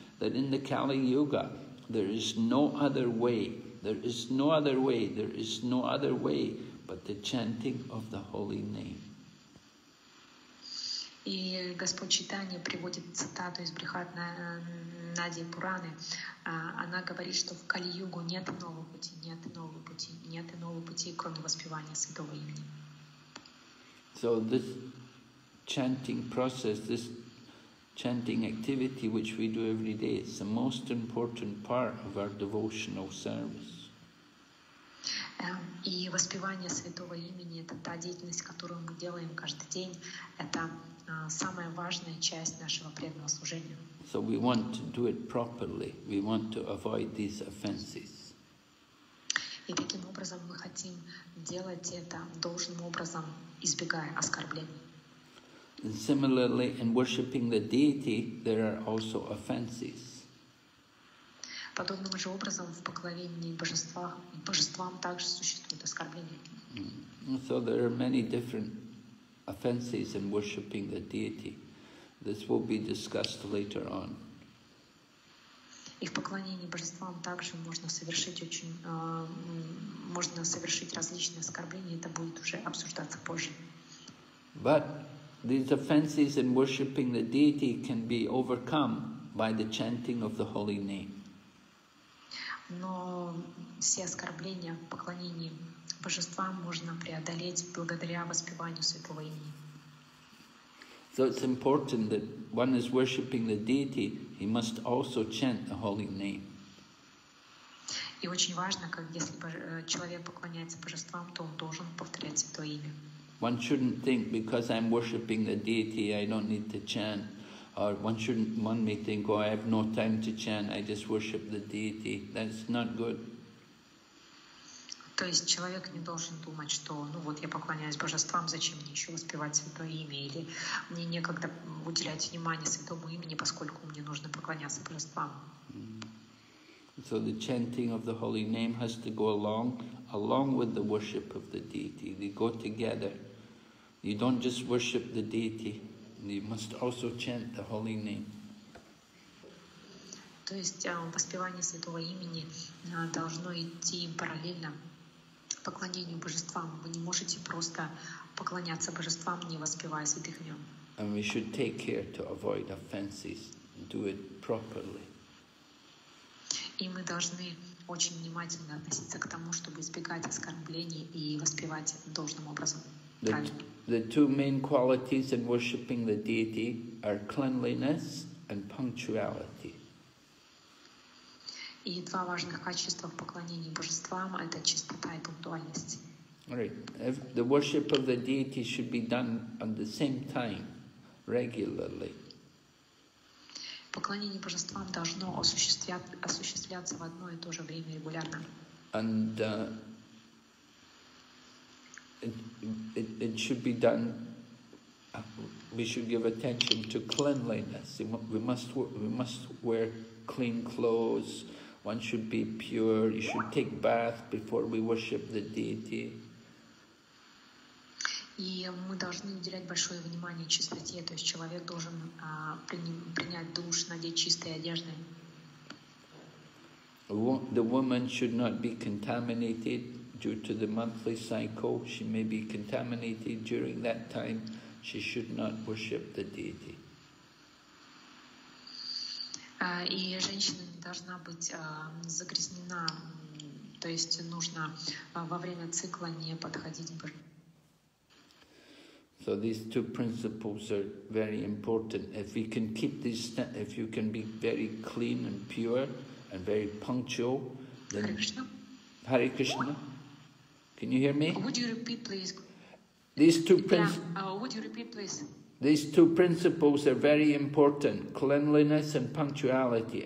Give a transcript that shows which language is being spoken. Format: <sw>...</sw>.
<en>That in the Kali Yuga, there is no other way, there is no other way, there is no other way but the chanting of the Holy Name.</en> <ru>И Господь Читания приводит цитату из Брихад Нади Пураны. Она говорит, что в Кали-Югу нет иного пути, нет иного пути, нет иного пути, кроме воспевания Святого Имени.</ru> <en>So this chanting process, this chanting activity which we do every day, it's the most important part of our devotional service.</en> <ru>И воспевание Святого Имени — это та деятельность, которую мы делаем каждый день. Это самая важная часть нашего преданного служения.</ru> <en>So we want to do it properly. We want to avoid these offenses.</en> <ru>И таким образом мы хотим делать это должным образом, избегая оскорблений.</ru> <en>And similarly, in worshipping the deity, there are also offenses.</en> <ru>Подобным же образом в поклонении божествам также существуют оскорбления.</ru> <en>So there are many different offenses in worshipping the deity. This will be discussed later on.</en> <ru>И в поклонении божествам также можно совершить различные оскорбления. Это будет уже обсуждаться позже.</ru> <en>But these offenses in worshipping the deity can be overcome by the chanting of the Holy Name.</en> <ru>Но все оскорбления в поклонении божествам можно преодолеть благодаря воспеванию Святого Имени.</ru> <en>So it's important that one is worshipping the deity, he must also chant the Holy Name.</en> <ru>И очень важно, как если человек поклоняется божествам, то он должен повторять Святое Имя.</ru> <en>One shouldn't think, because I'm worshipping the deity, I don't need to chant. Or one may think, oh, I have no time to chant, I just worship the deity. That's not good.</en> <ru>То есть человек не должен думать, что, ну вот я поклоняюсь божествам, зачем мне еще воспевать Святое Имя, или мне некогда уделять внимание Святому Имени, поскольку мне нужно поклоняться божествам.</ru> <en>So the chanting of the Holy Name has to go along with the worship of the deity. They go together. You don't just worship the deity, you must also chant the Holy Name.</en> <ru>То есть воспевание Святого Имени должно идти параллельно поклонению божествам. Вы не можете просто поклоняться божествам, не воспевая святых имен.</ru> <en>And we should take care to avoid offenses. Do it properly.</en> <ru>И мы должны очень внимательно относиться к тому, чтобы избегать оскорблений и воспевать должным образом.</ru> <en>The two main qualities in worshipping the deity are cleanliness and punctuality.</en> <ru>И два важных качества в поклонении божествам — это чистота и пунктуальность.</ru> <en>Right. If the worship of the deity should be done at the same time, regularly.</en> <ru>Поклонение божествам должно осуществляться в одно и то же время регулярно.</ru> <en>And it should be done. We should give attention to cleanliness. We must wear clean clothes. One should be pure. You should take bath before we worship the deity.</en> <ru>И мы должны уделять большое внимание чистоте, то есть человек должен принять душ, надеть чистые одежды.</ru> <en>The woman should not be contaminated due to the monthly cycle. She may be contaminated during that time. She should not worship the deity.</en> <ru>И женщина не должна быть загрязнена, то есть нужно во время цикла не подходить к божеству.</ru> <en>So these two principles are very important. If we can keep these, if you can be very clean and pure and very punctual, then Hare Krishna. Hare Krishna. Can you hear me? Would you repeat, please? These two principles are very important, cleanliness and punctuality.</en>